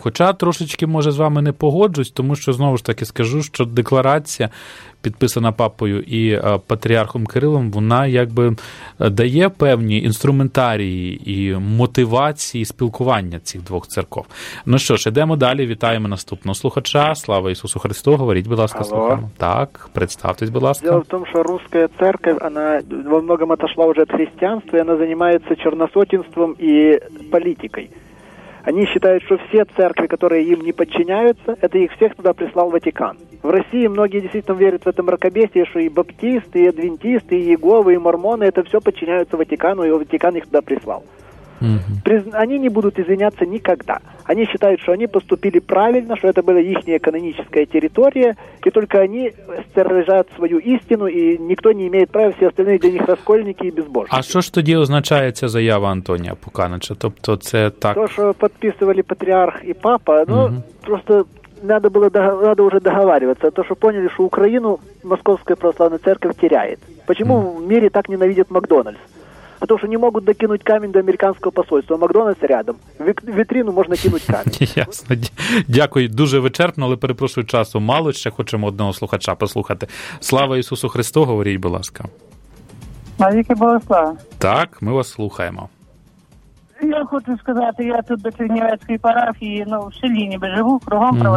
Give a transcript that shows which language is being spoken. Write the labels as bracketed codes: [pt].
[uk] Хоча трошечки, може, з вами не погоджусь, тому що, знову ж таки, скажу, що декларація, підписана папою і патріархом Кирилом, вона, якби, дає певні інструментарії і мотивації спілкування цих двох церков. Ну що ж, ідемо далі, вітаємо наступного слухача. Слава Ісусу Христу, говоріть, будь ласка, слухаємо. Так, представтесь, будь ласка. Діло в тому, що Руська церква, вона [ru] во многом отошла [uk] вже від християнства, і вона займається чорносотінством і [ru] политикой. Они считают, что все церкви, которые им не подчиняются, это их всех туда прислал Ватикан. В России многие действительно верят в это мракобесие, что и баптисты, и адвентисты, и иеговы, и мормоны, это все подчиняются Ватикану, и Ватикан их туда прислал. Mm-hmm. Они не будут извиняться никогда. Они считают, что они поступили правильно, что это была их каноническая территория, и только они стержат свою истину, и никто не имеет права, все остальные для них раскольники и безбожники. А что ж [uk] тоді [ru] означает [uk] ця заява Антонія Пуканича? Тобто це так... [ru] То, что подписывали патріарх и папа, ну, mm-hmm. просто надо уже договариваться. То, что поняли, что Украину Московская Православная Церковь теряет. Почему mm-hmm. в мире так ненавидят Макдональдс? Потому что не могут докинуть камень до американского посольства. Макдональдс рядом. [uk] В вітрину можна кинуть камінь. Ясно. Дякую. Дуже вичерпно, але перепрошую, часу мало. Ще хочемо одного слухача послухати. Слава Ісусу Христу, говоріть, будь ласка. Навіки Богослава. Так, ми вас слухаємо. Я хочу сказати, я тут до Чернівецької парафії, ну, в селі ніби живу, кругом mm-hmm.